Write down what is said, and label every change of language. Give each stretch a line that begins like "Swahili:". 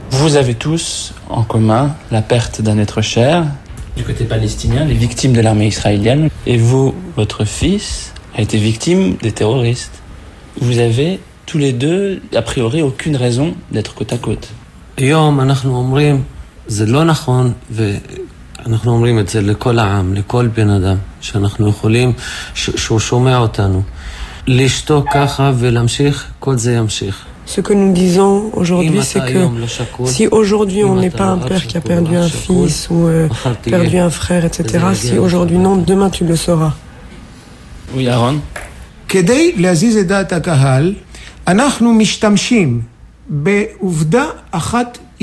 French: Vous avez tous en commun la perte d'un être cher du côté palestinien, les victimes de l'armée israélienne, et vous, votre fils a été victime des terroristes. Vous avez tous les deux a priori aucune raison d'être côte à côte.
Hebrew: אנחנו אומרים את זה לכל העם, לכל בן אדם שאנחנו יכולים, שהוא שומע אותנו. לשתוק ככה ולהמשיך, כל זה ימשיך.
French: Ce que nous disons aujourd'hui, c'est que si aujourd'hui on n'est pas un père qui a perdu un fils ou perdu un frère, etc., si aujourd'hui non, demain tu le sauras. Oui, Aaron.
Hebrew: כדי להזיז את דעת הקהל, אנחנו משתמשים בעובדה אחת.